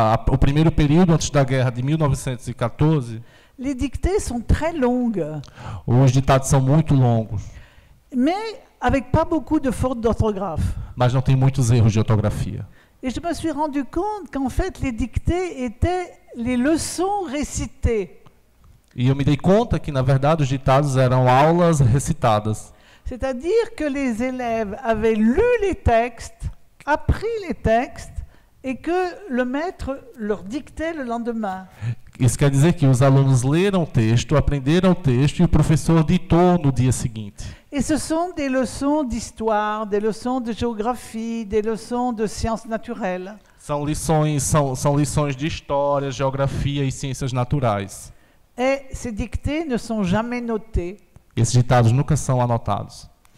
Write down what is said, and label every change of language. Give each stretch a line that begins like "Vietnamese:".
Portuguese: O primeiro período antes da guerra de 1914.
French: Les dictées sont très longues.
Portuguese: Os ditados são muito longos.
French: Mais avec pas beaucoup de fautes d'orthographe.
Portuguese: Mas não tem muitos erros de ortografia.
French: Et je me suis rendu compte qu'en fait les dictées étaient les leçons récitées.
Portuguese: E eu me dei conta que na verdade os ditados eram aulas recitadas.
French: C'est-à-dire que les élèves avaient lu les textes, appris les textes et que le maître leur dictait le lendemain.
Portuguese: Isso quer dizer que os alunos leram o texto, aprenderam o texto e o professor ditou no dia seguinte.
French: Et ce sont des leçons d'histoire, des leçons de géographie, des leçons de sciences naturelles.
Portuguese: São lições de história, geografia e ciências naturais.
French: Et ces dictées ne sont jamais notées.
Portuguese: Esses ditados nunca são anotados.